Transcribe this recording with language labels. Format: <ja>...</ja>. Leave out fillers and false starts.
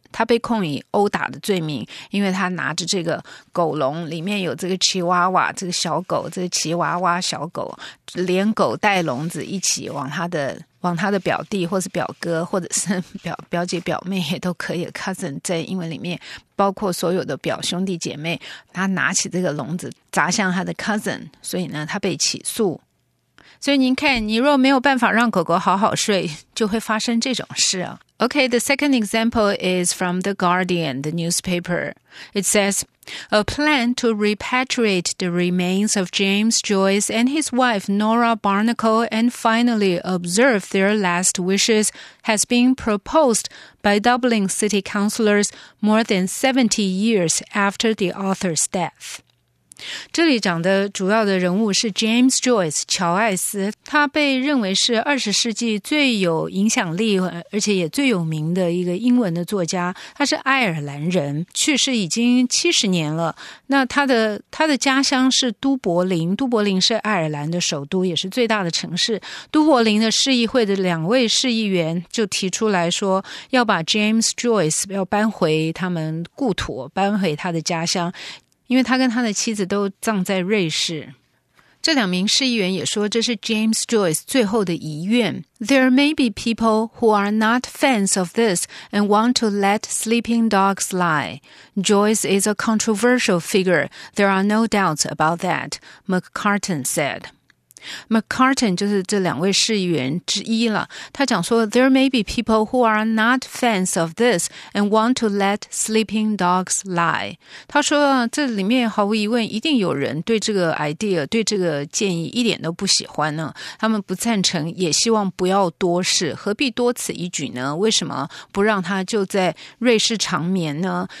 <zh>他被控以殴打的罪名，因为他拿着这个狗笼，里面有这个奇娃娃，这个小狗，这个奇娃娃小狗，连狗带笼子一起往他的表弟或是表哥或者是表姐表妹也都可以 cousin 在英文里面包括所有的表兄弟姐妹，他拿起这个笼子砸向他的 cousin， 所以呢他被起诉。所以您看，你若没有办法让狗狗好好睡，就会发生这种事啊。</zh> <en>Okay, the second example is from The Guardian, the newspaper. It says, a plan to repatriate the remains of James Joyce and his wife Nora Barnacle and finally observe their last wishes has been proposed by Dublin city councillors more than 70 years after the author's death.</en> <zh>这里讲的主要的人物是 James Joyce, 乔艾斯，他被认为是20世纪最有影响力而且也最有名的一个英文的作家，他是爱尔兰人，去世已经70年了。那他的家乡是都柏林，都柏林是爱尔兰的首都，也是最大的城市。都柏林的市议会的两位市议员就提出来说，要把 James Joyce 要搬回他们故土，搬回他的家乡，因为他跟他的妻子都葬在瑞士。这两名市议员也说这是 James Joyce 最后的遗愿。</zh> <en>There may be people who are not fans of this and want to let sleeping dogs lie. Joyce is a controversial figure. There are no doubts about that, McCartan said.</en> <zh>McCartan 就是这两位市议员之一了，他讲说</zh> <en>There may be people who are not fans of this and want to let sleeping dogs lie.</en> <zh>他说这里面毫无疑问一定有人对这个 idea 对这个建议一点都不喜欢呢，他们不赞成也希望不要多事，何必多此一举呢？为什么不让他就在瑞士长眠呢？</zh>